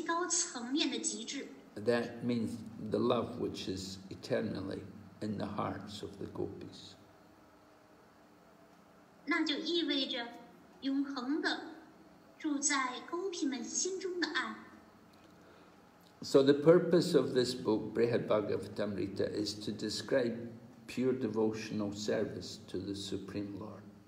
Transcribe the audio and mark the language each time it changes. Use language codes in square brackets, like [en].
[zh] 以主柴丹尼亚的形象，他能够觉悟到超然的爱的最高层面的极致。 [en] That means the love which is eternally in the hearts of the gopis. [zh] 那就意味着永恒的住在勾皮们心中的爱。 [en] So the purpose of this book, Brihad Bhagavatamrita, is to describe pure devotional service to the Supreme Lord.